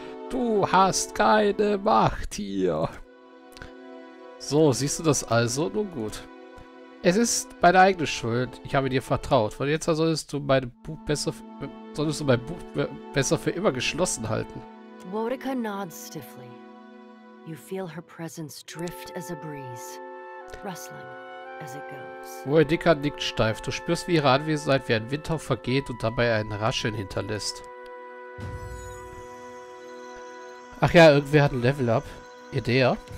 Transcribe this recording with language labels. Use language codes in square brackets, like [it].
[de] Du hast keine Macht hier. So, siehst du das also? Nun gut. Es ist meine eigene Schuld. Ich habe dir vertraut. Von jetzt an solltest du mein Buch besser für immer geschlossen halten. [en] Wodica nods stiffly. You feel her presence drift as a breeze, rustling. [de] Wodica nickt steif. Du spürst, wie ihre Anwesenheit wie ein Windhauch vergeht und dabei ein Rascheln hinterlässt. Ach ja, irgendwer hat ein Level Up. Idea.